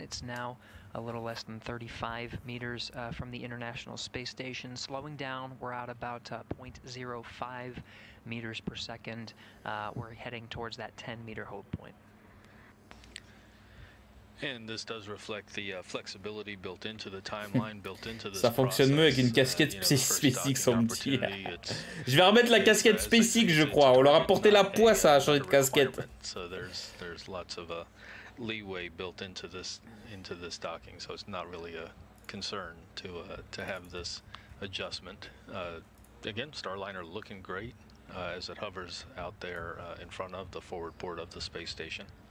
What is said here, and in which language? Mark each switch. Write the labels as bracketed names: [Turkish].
[English] It's now a little less than 35 meters from the International Space Station. Slowing down, we're at about 0.05 meters per second. We're heading towards that 10-meter hold point. And this does reflect the flexibility built into the timeline, built into this. [French] Ça fonctionne mieux avec une casquette SpaceX, on me dit. Je vais remettre la casquette SpaceX, je crois. On leur a porté la poisse à changer de casquette. [English] So there's lots of leeway built into this docking, so it's not really a concern to have this adjustment. Again, Starliner looking great as it hovers out there in front of the forward port of the space station.